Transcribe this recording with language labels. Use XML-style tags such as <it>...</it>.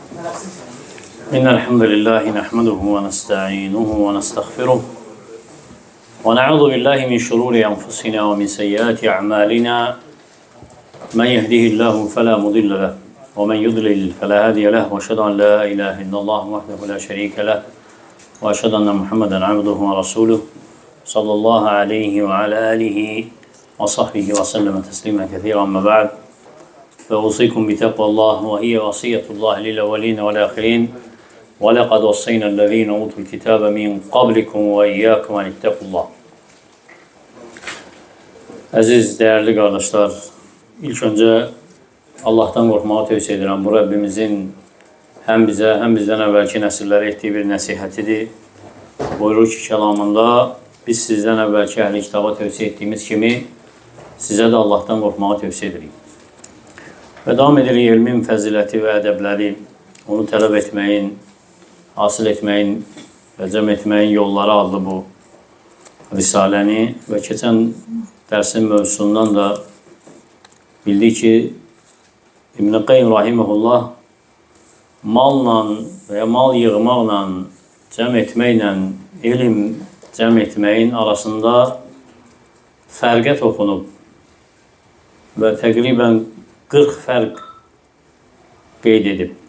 <ar>إن الحمد لله نحمده ونستعينه ونستغفره ونعوذ بالله من شرور أنفسنا ومن سيئات أعمالنا، من يهده الله فلا مضل له ومن يضلل فلا هادي له، وأشهد أن لا إله إلا الله وحده لا شريك له، وأشهد أن محمدا عبده ورسوله صلى الله عليه وعلى آله وصحبه وسلم تسليما كثيرا. أما بعد، فأوصيكم بتقوى الله وهي وصية الله للأولين والآخرين، ولقد وصينا الذين أوتوا الكتاب من قبلكم وإياكم أن اتقوا الله.</ar> <tr>Aziz değerli kardeşler, ilk önce Allah'tan korkmayı tavsiye ederim. Bu Rabbimizin hem bize hem bizden evvelki nesillere ettiği bir nasihatidir. Buyurur ki kelamında, biz sizden evvelki ehli kitaba tavsiye ettiğimiz kimi size de Allah'tan korkmayı tavsiye ederim.</tr> <az>Ve devam edelim ilmin fəziləti ve edepleri, onu tələb etməyin, hasıl etməyin ve cəm etməyin yolları aldı bu risaləni. Ve keçen dersin mövzusundan da bildi ki, İbn-i Qeyyim Rahimullah malla veya mal yığmaqla, cəm etməklə, ilim cəm etməyin arasında fərqə toxunub ve təqribən 40 fərq qeyd edib.</az>